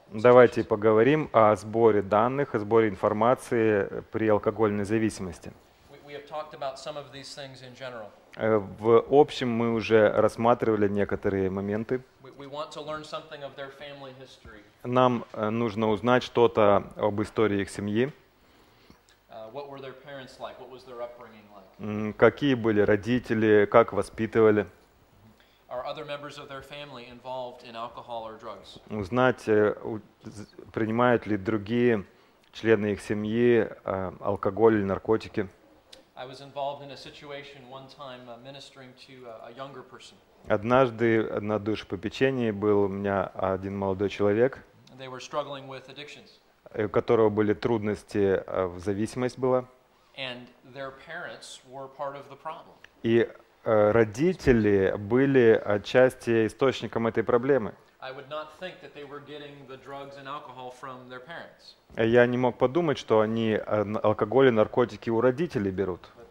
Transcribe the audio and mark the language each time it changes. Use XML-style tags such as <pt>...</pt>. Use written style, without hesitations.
<ru>Давайте поговорим о сборе данных, о сборе информации при алкогольной зависимости.</ru> <en>We have talked about some of these things in general.</en> <ru>В общем, мы уже рассматривали некоторые моменты.</ru> <en>We want to learn something of their family history.</en> <ru>Нам нужно узнать что-то об истории их семьи.</ru> <en>What were their parents like? What was their upbringing like?</en> <ru>Какие были родители, как воспитывали.</ru> <en>Are other members of their family involved in alcohol or drugs?</en> <ru>Узнать, принимают ли другие члены их семьи алкоголь или наркотики.</ru> <en>I was involved in a situation one time ministering to a younger person.</en> <ru>Однажды на душепопечении был у меня один молодой человек.</ru> <en>They were struggling with addictions.</en> <ru>У которого были трудности, в зависимость была.</ru> <en>And their parents were part of the problem.</en> <ru>И родители были отчасти источником этой проблемы. Я не мог подумать, что они алкоголь и наркотики у родителей берут.</ru>